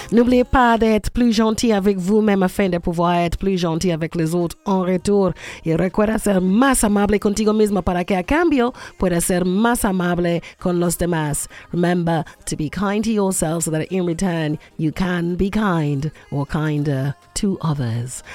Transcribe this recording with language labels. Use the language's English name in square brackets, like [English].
[French] N'oubliez pas d'être plus gentil avec vous-même afin de pouvoir être plus gentil avec les autres en retour. [Spanish] Y recuerda ser más amable contigo mismo para que a cambio pueda ser más amable con los demás. [English] Remember to be kind to yourself so that in return you can be kind or kinder to others.